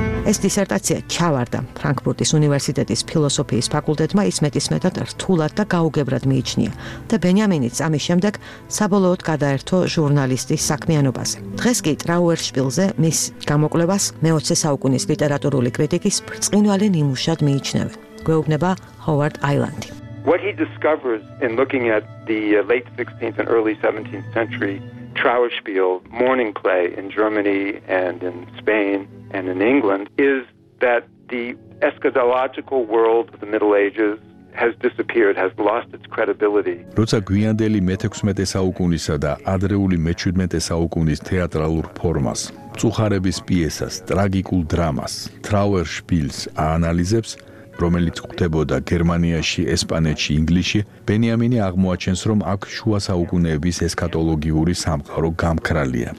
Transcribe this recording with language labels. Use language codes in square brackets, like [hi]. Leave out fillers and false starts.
[ka] ეს დისერტაცია ჩავარდა ფრანკფურტის უნივერსიტეტის ფილოსოფიის ფაკულტეტმა, ის მეტისმეტად რთულად და გაუგებრად მიიჩნია და ბენიამინიც ამის შემდეგ საბოლოოდ გადაერთო ჟურნალისტის საქმიანობაზე. დღეს კი ტრაუერშვილზე მის გამოკვლევას მე-20 საუკუნის ლიტერატურული კრიტიკის ბრწყინვალე ნიმუშად მიიჩნევენ. გვეუბნება ჰოვარდ აილანდი. [en] What he discovers in looking at the late 16th and early 17th century Trauerspiel morning play in Germany and in Spain and in England is that the eschatological world of the Middle Ages has disappeared, has lost its credibility. [ka] როცა გვიანდელი მე-16 საუკუნისა და ადრეული მე-17 საუკუნის თეატრალურ ფორმას, მწუხარების პიესას, ტრაგიკულ დრამას, Trauerspiels აანალიზებს, რომელიც ხდებოდა გერმანიაში, ესპანეთში, ინგლისში, ბენიამინი აღმოაჩენს, რომ აქ შუა საუკუნეების ესქატოლოგიური სამყარო გამქრალია.